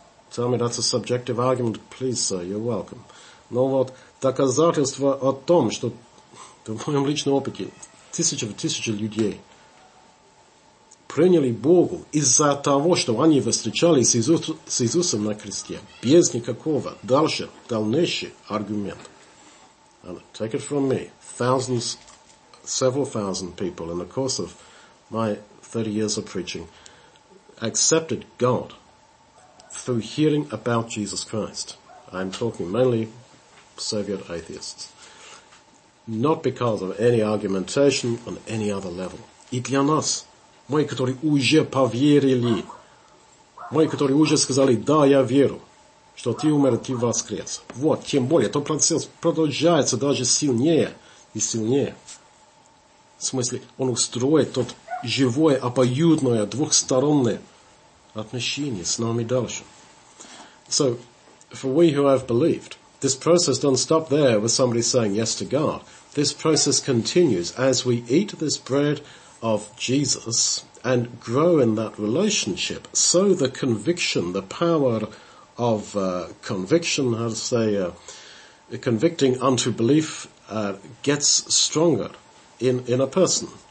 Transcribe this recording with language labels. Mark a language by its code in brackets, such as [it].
[en] Tell me that's a subjective argument, please, sir, you're welcome. [ru] Но вот доказательство о том, что в моем личном опыте тысячи людей приняли Богу из-за того, что они встречались с Иисусом на кресте, без никакого дальнейшего аргумента. [en] And take it from me, thousands, several thousand people in the course of my 30 years of preaching accepted God through hearing about Jesus Christ. I'm talking mainly Soviet atheists. Not because of any argumentation on any other level. [ru] И для нас, мы, которые уже поверили, мы, которые уже сказали, да, я верю, что ты умер, ты воскрес. Вот, тем более, тот процесс продолжается даже сильнее. В смысле, он устроит тот живое, обоюдное, двухстороннее отношение с нами дальше. [en] So, for we who have believed, this process doesn't stop there with somebody saying yes to God. This process continues as we eat this bread of Jesus and grow in that relationship, so the conviction, the power of conviction, how to say, convicting unto belief, gets stronger in a person.